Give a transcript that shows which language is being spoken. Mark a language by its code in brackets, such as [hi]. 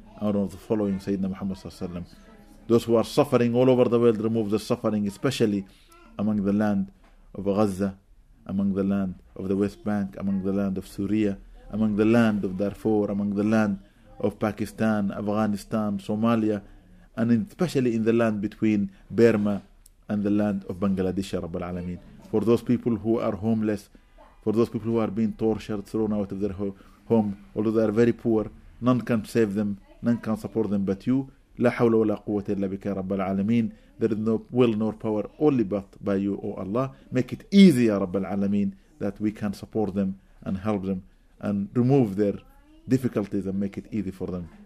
[en] Out of the following Sayyidina Muhammad sallallahu alayhi wa sallam. Those who are suffering all over the world, remove the suffering, especially among the land of Gaza, among the land of the West Bank, among the land of Syria, among the land of Darfur, among the land of Pakistan, Afghanistan, Somalia, and especially in the land between Burma and the land of Bangladesh, Ya Rabbil Alameen. For those people who are homeless, for those people who are being tortured, thrown out of their home, although they are very poor, none can save them, none can support them but You. [ar] لا حول ولا قوة إلا بك يا رب العالمين. [en] There is no will nor power only but by You, O Allah. Make it easy, [ar] يا رب العالمين, [en] that we can support them and help them and remove their difficulties and make it easy for them.